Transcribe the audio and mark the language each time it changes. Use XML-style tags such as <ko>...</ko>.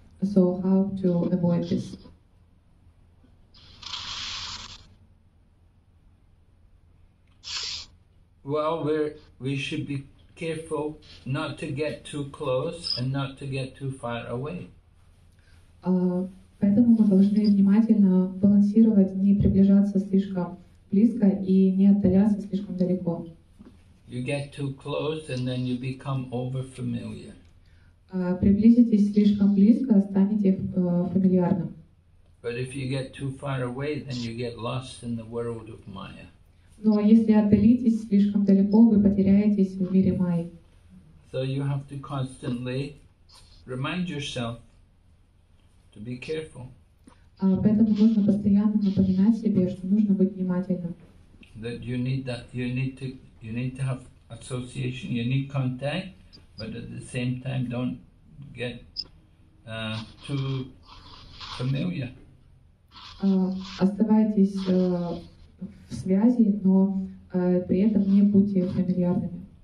<en>So how to avoid this? Well, we should be careful not to get too close and not to get too far away.</en> <ru>Поэтому мы должны внимательно балансировать, не приближаться слишком близко и не отдаляться слишком далеко.</ru> <en>You get too close and then you become over-familiar.</en> <ru>Приблизитесь слишком близко, станете фамильярным.</ru> <en>But if you get too far away, then you get lost in the world of Maya.</en> <ru>Но если отдалитесь слишком далеко, вы потеряетесь в мире Майи.</ru> <en>So you have to constantly remind yourself to be careful.</en> <ru>Поэтому нужно постоянно напоминать себе, что нужно быть внимательным.</ru> <en>That you need to have association, you need contact, but at the same time don't get too familiar.</en> <ru>Оставайтесь в связи, но при этом не будьте фамильярными.</ru>